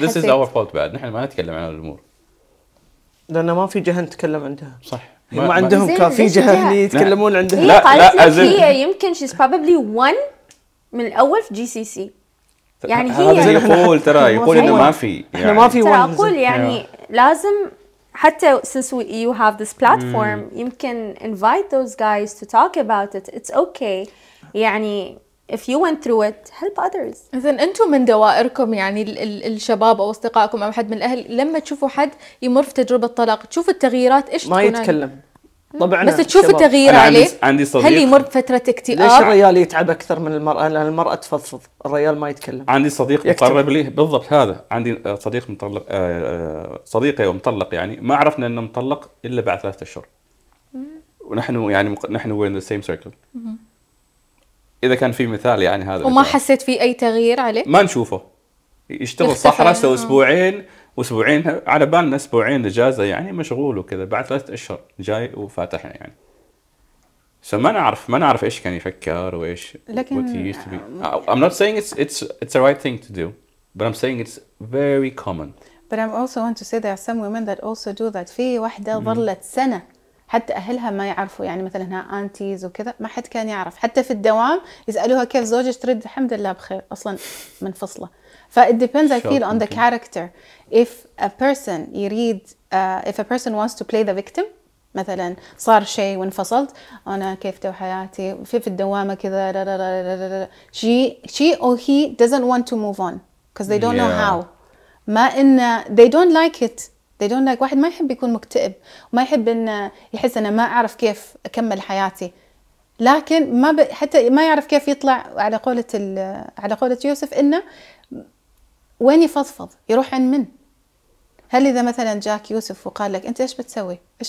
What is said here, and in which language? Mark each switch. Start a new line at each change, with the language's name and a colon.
English: This is our fault
Arabic: بعد. نحن ما نتكلم عن الأمور. لأن ما في جهة نتكلم عندها. صح. ما عندهم كافي جهة اللي يتكلمون عندها. لا قالت لك هي يمكن
English: she's probably one
Arabic: من الأول في GCC. يعني هي. هذا يقول ترى يقول إنه ما في. إحنا ما في
English: one.
Arabic: أقول يعني لازم. حتى
English: since we, you have this platform
Arabic: يمكن
English: invite those guys to talk about it. It's okay.
Arabic: يعني
English: if you went through it help others.
Arabic: إذن أنتم من دوائركم يعني الشباب أو أصدقائكم أو حد من الأهل لما تشوفوا حد يمر في تجربة طلاق تشوفوا التغييرات إيش ما يتكلم طبعاً بس تشوف الشباب. التغيير عليه عندي صديق هل يمر بفترة اكتئاب؟ ليش الرجال يتعب أكثر من المرأة؟ لأن المرأة تفضفض الرجال ما يتكلم. عندي صديق مطلق لي بالضبط هذا. عندي صديق مطلق صديقي ومطلق يعني ما عرفنا إنه مطلق إلا بعد 3 أشهر ونحن يعني نحن وين
English: the same circle.
Arabic: إذا كان في مثال يعني هذا وما حسيت في أي تغيير عليه ما نشوفه يشتغل صحراء سو أسبوعين واسبوعين على بالنا اسبوعين اجازه يعني مشغول وكذا، بعد 3 أشهر جاي وفاتح يعني. فما نعرف ما نعرف ايش كان يفكر وايش. لكن
English: I'm not saying it's a right thing to do, but I'm saying it's very common. But I also want to say there are some women that also do that.
Arabic: في واحدة ظلت سنة حتى أهلها ما يعرفوا، يعني مثلا ها أنتيز وكذا ما حد كان يعرف، حتى في الدوام يسألوها كيف زوجك، ترد الحمد لله بخير أصلا منفصلة.
English: ف it depends I feel on the character. If a person
Arabic: يريد
English: if a person wants to play the victim
Arabic: مثلا صار شيء وانفصلت أنا كيف تو حياتي في الدوامة كذا را را را را را را.
English: She or he doesn't want to move on because they don't know how.
Arabic: ما إن
English: they don't like it, they don't like.
Arabic: واحد ما يحب يكون مكتئب، ما يحب إن يحس أنا ما أعرف كيف أكمل حياتي، لكن ما حتى ما يعرف كيف يطلع. على قولة على قولة يوسف إنه وين يفضفض، يروح عن من؟ هل إذا مثلا جاك يوسف وقال لك أنت إيش بتسوي